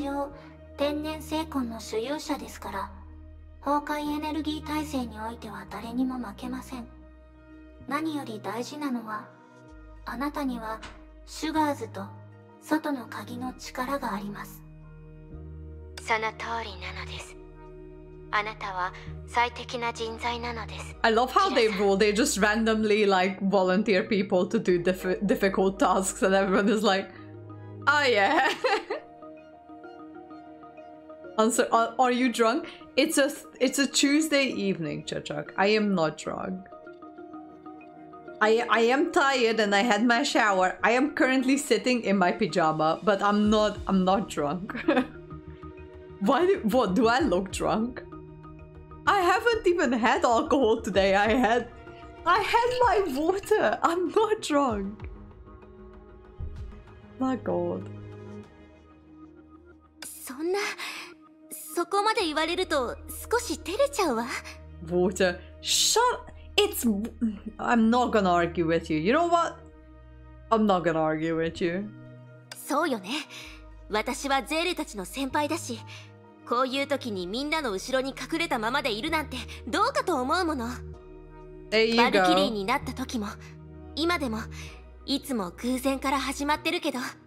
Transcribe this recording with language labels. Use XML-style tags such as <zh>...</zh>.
<ja>一応、天然聖魂の所有者ですから。崩壊エネルギー体制においては誰にも負けません。何より大事なのは、あなたにはシュガーズと外の鍵の力があります。その通りなのです。あなたは最適な人材なのです。</ja> <en>I love how they rule. They just randomly like volunteer people to do difficult tasks and everyone is like, oh yeah. Answer, are you drunk? It's a Tuesday evening, Chachak. I am not drunk. I am tired and I had my shower. I am currently sitting in my pajama, but I'm not drunk. What do I look drunk? I haven't even had alcohol today. I had I had my water. I'm not drunk. My god.</en> <ja>そんな、そこまで言われると少し照れちゃうわ。</ja> <en>Water. Shut. It's... I'm not gonna argue with you. You know what? I'm not gonna argue with you.</en> <ja>そうよね。私はゼーレたちの先輩だし、こういう時にみんなの後ろに隠れたままでいるなんてどうかと思うもの。</ja> <en>There you go.</en> <ja>バルキリーになった時も、今でも、いつも偶然から始まってるけど。</ja>